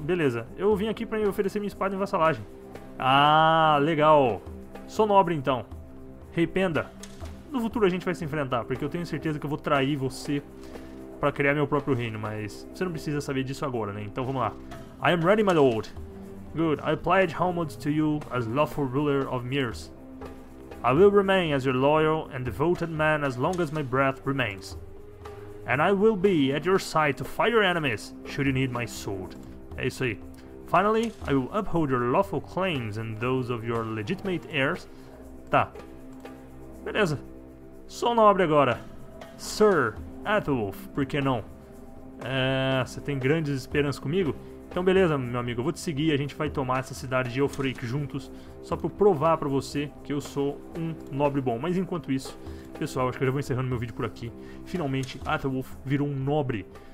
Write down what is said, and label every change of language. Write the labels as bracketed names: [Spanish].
[Portuguese] Beleza, eu vim aqui pra oferecer minha espada em vassalagem. Ah, legal. Sou nobre então. Rei Penda. No futuro a gente vai se enfrentar, porque eu tenho certeza que eu vou trair você para criar meu próprio reino, mas você não precisa saber disso agora, né? Então vamos lá. [English] I am ready, my lord. Good. I pledge homage to you as lawful ruler of Mirs. I will remain as your loyal and devoted man as long as my breath remains. And I will be at your side to fight your enemies should you need my sword. [Portuguese] É isso aí. [English] Finally, I will uphold your lawful claims and those of your legitimate heirs. [Portuguese] Tá. Beleza. Sou nobre agora. Sir Aethelwulf, por que não? Você tem grandes esperanças comigo? Então beleza, meu amigo, eu vou te seguir, a gente vai tomar essa cidade de Elfrake juntos, só para provar para você que eu sou um nobre bom. Mas enquanto isso, pessoal, acho que eu já vou encerrando meu vídeo por aqui. Finalmente, Atherwolf virou um nobre.